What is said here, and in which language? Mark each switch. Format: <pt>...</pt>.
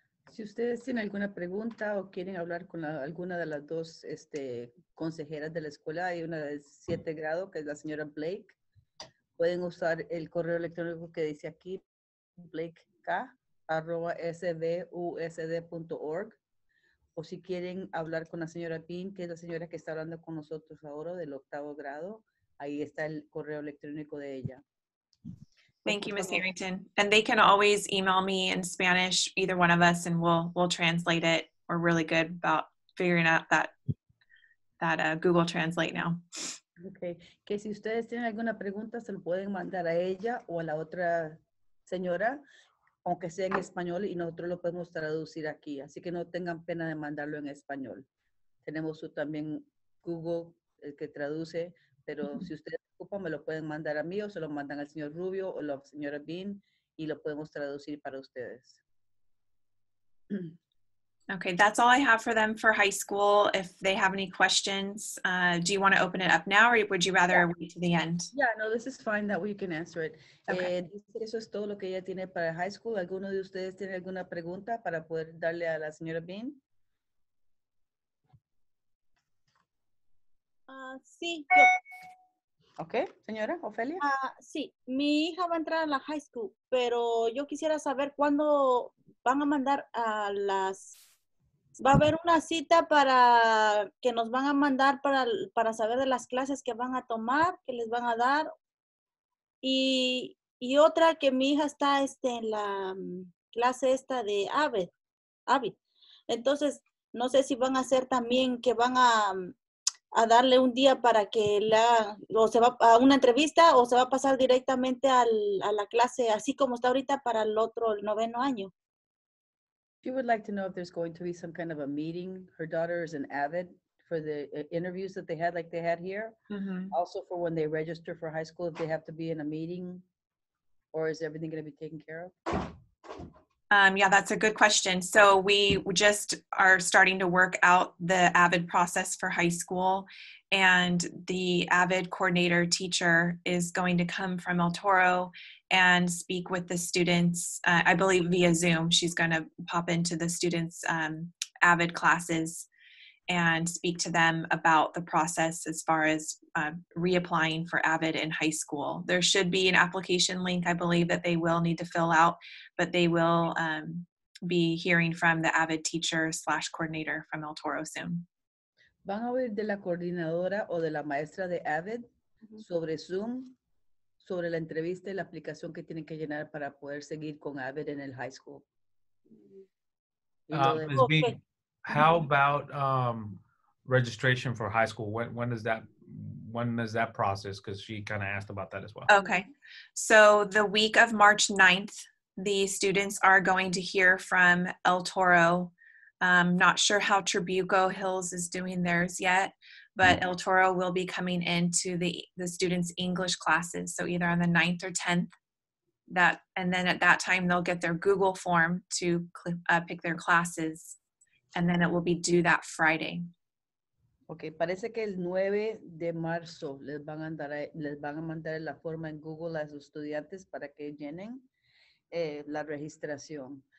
<es>Si ustedes tienen alguna pregunta o quieren hablar con alguna de las dos consejeras de la escuela, hay una de 7 grado, que es la señora Blake, pueden usar el correo electrónico que dice aquí, blakek@svusd.org, o si quieren hablar con la señora Pink, que es la señora que está hablando con nosotros ahora del octavo grado, ahí está el correo electrónico de ella.</es> <en>Thank you, Ms. Harrington. And they can always email me in Spanish, either one of us, and we'll translate it. We're really good about figuring out that Google Translate now. Okay.</en> <es>Que si ustedes tienen alguna pregunta, se lo pueden mandar a ella o a la otra señora, aunque sea en español, y nosotros lo podemos traducir aquí. Así que no tengan pena de mandarlo en español. Tenemos también Google, el que traduce, pero si ustedes me lo pueden mandar a mí o se lo mandan al señor Rubio o la señora Bean y lo podemos traducir para ustedes.</es> <en>Okay, that's all I have for them for high school. If they have any questions, do you want to open it up now or would you rather wait to the end? Yeah, no, this is fine that we can answer it. Okay.</en> <es>Eso es todo lo que ella tiene para high school. ¿Alguno de ustedes tiene alguna pregunta para poder darle a la señora Bean? Sí. Okay, señora Ofelia. Sí, mi hija va a entrar a la high school, pero yo quisiera saber cuándo van a mandar a las... Va a haber una cita para que nos van a mandar para saber de las clases que van a tomar, que les van a dar. Y otra, que mi hija está en la clase esta de AVID. Entonces, no sé si van a hacer también que van a darle un día para que la, o se va a una entrevista o se va a pasar directamente a la clase así como está ahorita para el otro, el noveno año.</es> <en>She would like to know if there's going to be some kind of a meeting. Her daughter is an AVID for the interviews that they had, like they had here. Mm-hmm. Also for when they register for high school, if they have to be in a meeting, or is everything going to be taken care of? Yeah, that's a good question. So we just are starting to work out the AVID process for high school, and the AVID coordinator teacher is going to come from El Toro and speak with the students, I believe via Zoom. She's going to pop into the students' AVID classes and speak to them about the process as far as reapplying for AVID in high school. There should be an application link, I believe, that they will need to fill out, but they will be hearing from the AVID teacher / coordinator from El Toro soon.</en> <es>¿Van a oír de la coordinadora o de la maestra de AVID sobre Zoom, sobre la entrevista y la aplicación que tienen que llenar para poder seguir con AVID en el high school?</es> <en>How about registration for high school? When is that process? Because she kind of asked about that as well. Okay. So the week of March 9th, the students are going to hear from El Toro. Not sure how Tribuco Hills is doing theirs yet, but El Toro will be coming into the students' English classes. So either on the 9th or 10th. And then at that time, they'll get their Google form to pick their classes. And then it will be due that Friday.</en> <es>Okay, parece que el 9 de marzo les van a mandar la forma en Google a sus estudiantes para que llenen la registración.</es>